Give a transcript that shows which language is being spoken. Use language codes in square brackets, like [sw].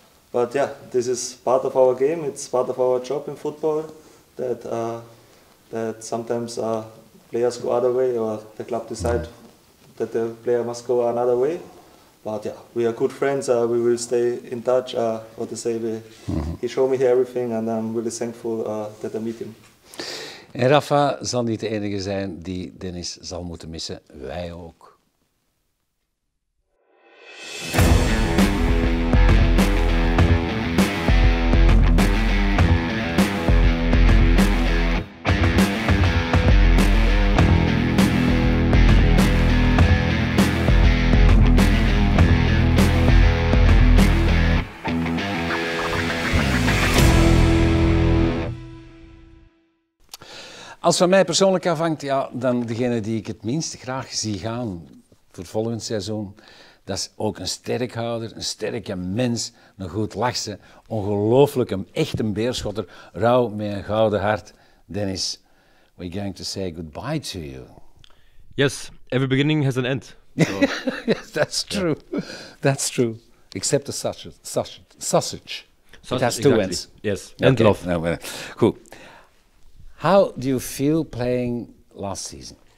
[en] But yeah, this is part of our game. It's part of our job in football, that sometimes players go other way, or the club decide that the player must go another way. But yeah, we are good friends. We will stay in touch. He showed me everything, and I'm really thankful that I meet him. [nl] En Rafa zal niet de enige zijn die Denis zal moeten missen. Wij ook. Als van mij persoonlijk afhangt, dan degene die ik het minst graag zie gaan voor volgend seizoen, dat is ook een sterk houder, een sterke mens, een goed lachse, ongelooflijk, echt een beerschotter, rauw met een gouden hart. [en] Dennis, we're going to say goodbye to you. Yes, every beginning has an end. So. That's true. Yeah. That's true. Except the sausage. It has two ends. Yes, and okay. Love. No, well, cool. How do you feel playing last season?